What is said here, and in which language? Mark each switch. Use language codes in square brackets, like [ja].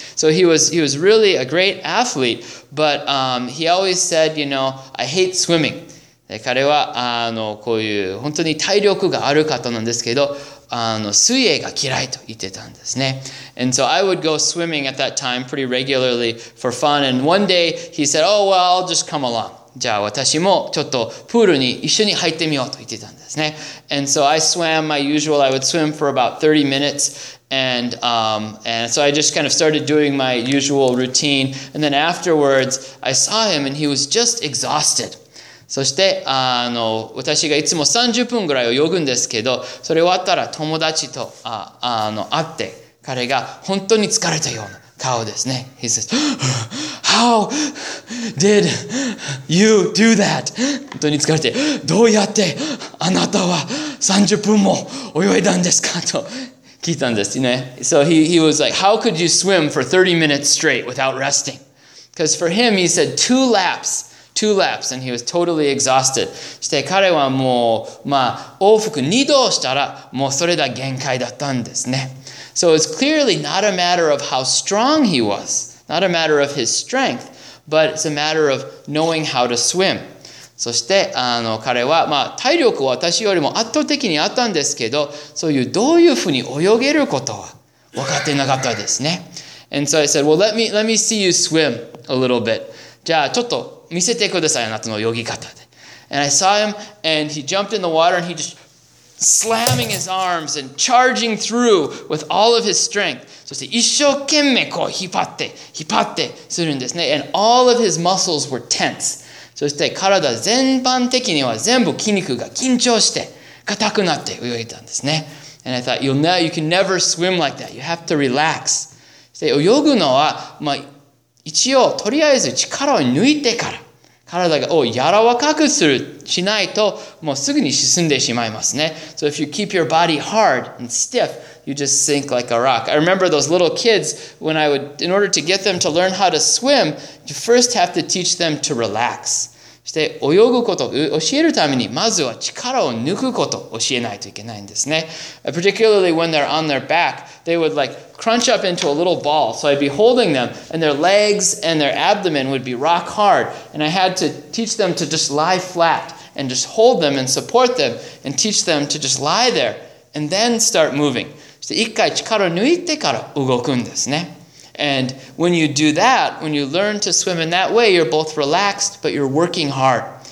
[en] So he was really a great athlete, but he always said, you know, I hate swimming. [ja] 彼はこういう本当に体力がある方なんですけど、水泳が嫌いと言ってたんですね。 [en] And so I would go swimming at that time pretty regularly for fun. And one day he said, oh well, I'll just come along. [ja] じゃあ私もちょっとプールに一緒に入ってみようと言ってたんですね。 [en] And so I swam my usual, I would swim for about 30 minutes. And, and so I just kind of started doing my usual routine. And then afterwards, I saw him and he was just exhausted. [ja] そして私がいつも30分ぐらい泳ぐんですけど、それ終わったら友達と会って、彼が本当に疲れたような。顔ですね。 [en] He says, how did you do that? [ja] 本当に疲れて、どうやってあなたは30分も泳いだんですかと聞いたんですね。 [en] So he was like, how could you swim for 30 minutes straight without resting? Because for him, he said, two laps, and he was totally exhausted. [ja] そして彼はもう、まあ、往復2度したらもうそれが限界だったんですね。 [en] So it's clearly not a matter of how strong he was, not a matter of his strength, but it's a matter of knowing how to swim. [ja] そして彼は、まあ、体力は私よりも圧倒的にあったんですけど、そういうどういうふうに泳げることは分かってなかったですね。 [en] And so I said, well, let me see you swim a little bit. [ja] じゃあちょっと見せてください、あなたの泳ぎ方で。 [en] And I saw him, and he jumped in the water, and he just... slamming his arms and charging through with all of his strength. [ja] そして一生懸命こう引っ張ってするんですね。 [en] And all of his muscles were tense. [ja] そして体全般的には全部筋肉が緊張して硬くなって泳いだんですね。 [en] And I thought, you can never swim like that. You have to relax. [ja] そして泳ぐのは、まあ、一応とりあえず力を抜いてから。体が柔らかくするしないともうすぐに沈んでしまいますね。 [en] So if you keep your body hard and stiff, you just sink like a rock. I remember those little kids when I would, in order to get them to learn how to swim, you first have to teach them to relax. [ja] して泳ぐことを教えるためにまずは力を抜くことを教えないといけないんですね。 [en] Particularly when they're on their back, they would like crunch up into a little ball. So I'd be holding them and their legs and their abdomen would be rock hard. And I had to teach them to just lie flat and just hold them and support them and teach them to just lie there and then start moving. [ja] そして一回力を抜いてから動くんですね。 [en] And when you do that, when you learn to swim in that way, you're both relaxed, but you're working hard.